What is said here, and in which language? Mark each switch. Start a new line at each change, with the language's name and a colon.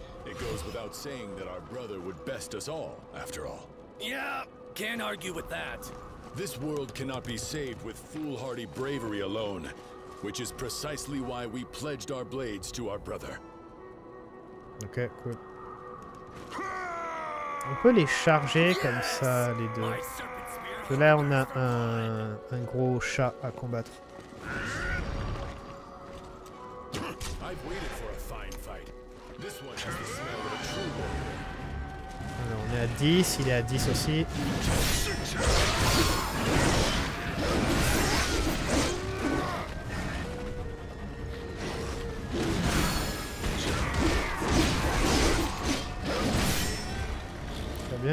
English: It goes without saying that our brother would best us all, after all. Yeah, can't argue with that. This world cannot be saved with foolhardy bravery alone, which is precisely why we pledged our blades to our brother. Okay, cool.
French: On peut les charger comme ça, les deux. Et là, on a un gros chat à combattre.
English: I've waited for a fine fight. This one has the smell of a true warrior.
French: Alors, on est à 10, il est à 10 aussi. Très bien.